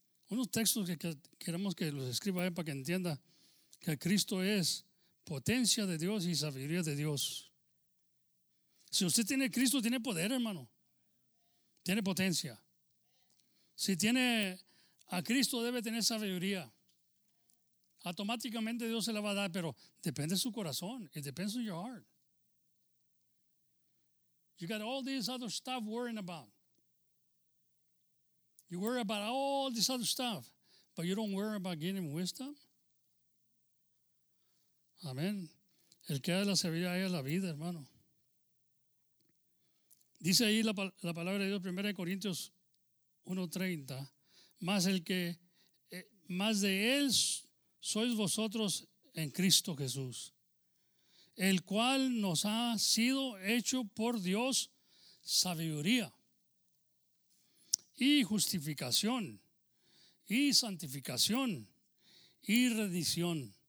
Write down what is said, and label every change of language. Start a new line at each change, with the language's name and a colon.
Spanish: Unos textos que queremos que los escriba para que entienda que Cristo es potencia de Dios y sabiduría de Dios. Si usted tiene Cristo, tiene poder, hermano. Tiene potencia. Si tiene a Cristo, debe tener sabiduría. Automáticamente Dios se la va a dar, pero depende de su corazón.
English: It depends on your heart. You got all these other stuff worrying about. You worry about all this other stuff, but you don't worry about getting wisdom.
Spanish: Amén. El que da la sabiduría es la vida, hermano. Dice ahí la palabra de Dios, 1 Corintios 1:30. Más el que, más de él sois vosotros en Cristo Jesús, el cual nos ha sido hecho por Dios sabiduría y justificación y santificación y redención.